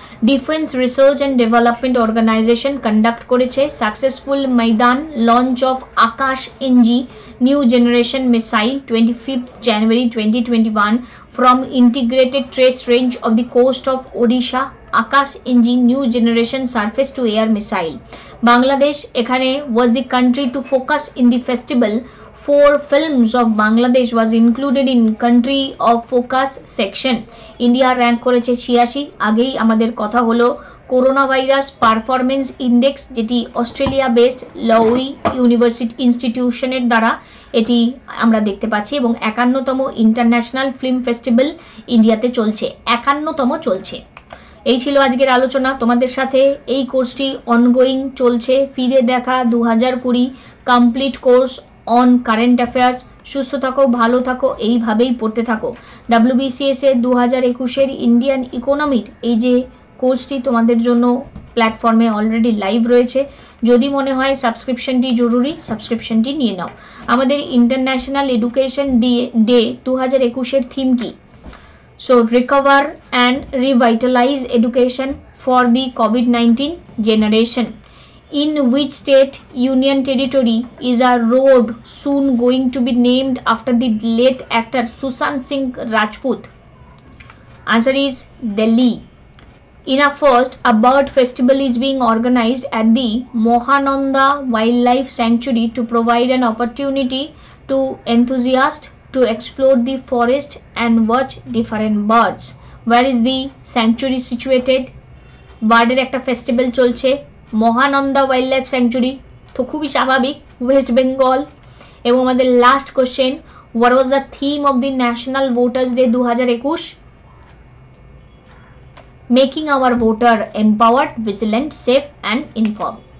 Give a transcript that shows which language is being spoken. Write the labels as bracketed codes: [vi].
[en] Defence research and development organisation conduct করেছে successful Maidan launch of Akash NG new generation missile 25 January 2021 from integrated trace range of the coast of Odisha. Akash NG new generation surface two air missile. Bangladesh এখানে ওয়াজ the country to focus in the festival. Four films of Bangladesh was included in country of focus section. [bn] India rank করেছে 86। আগেই আমাদের কথা হলো corona virus performance index, যেটি Australia based লউই university ইনস্টিটিউশনের দ্বারা এটি আমরা দেখতে পাচ্ছি, এবং 51তম ইন্টারন্যাশনাল ফিল্ম ফেস্টিভ্যাল ইন্ডিয়াতে চলছে, 51তম চলছে। এই ছিল আজকের আলোচনা তোমাদের সাথে। এই কোর্সটি অনগোয়িং চলছে, ফিরে দেখা 2020 complete course on current affairs. সুস্থ থাকো, ভালো থাকো, এইভাবেই পড়তে থাকো। WBCS এর 2021 ইন্ডিয়ান ইকোনমির এই যে কোর্সটি তোমাদের জন্য প্ল্যাটফর্মে অলরেডি লাইভ রয়েছে, যদি মনে হয় সাবস্ক্রিপশনটি জরুরি সাবস্ক্রিপশনটি নিয়ে নাও। আমাদের ইন্টারন্যাশনাল এডুকেশন ডে 2021 থিম কি? [en] So recover and revitalise education for the COVID 19 generation. In which state union territory is a road soon going to be named after the late actor Sushant Singh Rajput? Answer is Delhi. In a first, a bird festival is being organized at the Mohananda Wildlife Sanctuary to provide an opportunity to enthusiasts to explore the forest and watch different birds. Where is the sanctuary situated? [bn] Bird একটা festival চলছে Mahananda wild life sanctuary, তো খুবই স্বাভাবিক, West Bengal. এবং আমাদের last question, [en] What was the theme of the national voters day 2021? Making our voter empowered vigilant safe and inform.